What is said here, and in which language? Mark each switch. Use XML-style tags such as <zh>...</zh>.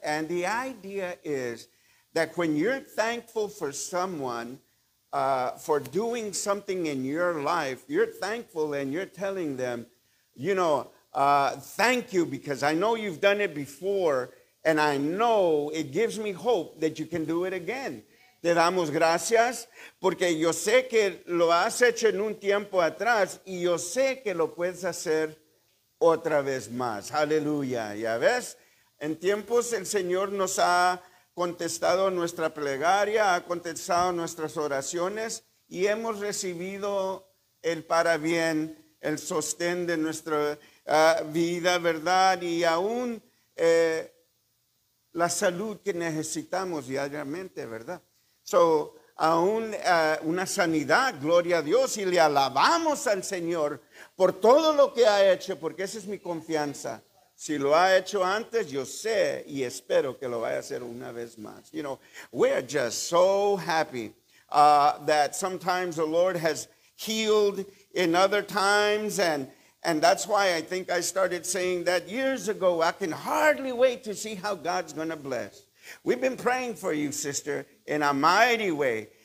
<en>And the idea is that when you're thankful for someone for doing something in your life, you're thankful and you're telling them, you know, thank you because I know you've done it before and I know it gives me hope that you can do it again.</en> <es>Te damos gracias porque yo sé que lo has hecho en un tiempo atrás y yo sé que lo puedes hacer otra vez más. Aleluya. Ya ves, en tiempos el Señor nos ha contestado nuestra plegaria, ha contestado nuestras oraciones y hemos recibido el para bien, el sostén de nuestra vida, ¿verdad? Y aún la salud que necesitamos diariamente, ¿verdad? So, aún una sanidad, gloria a Dios, y le alabamos al Señor por todo lo que ha hecho, porque esa es mi confianza. Si lo ha hecho antes, yo sé y espero que lo vaya a hacer una vez más.</es> <en>You know, we're just so happy that sometimes the Lord has healed in other times. And that's why I think I started saying that years ago. I can hardly wait to see how God's going to bless. We've been praying for you, sister, in a mighty way.</en>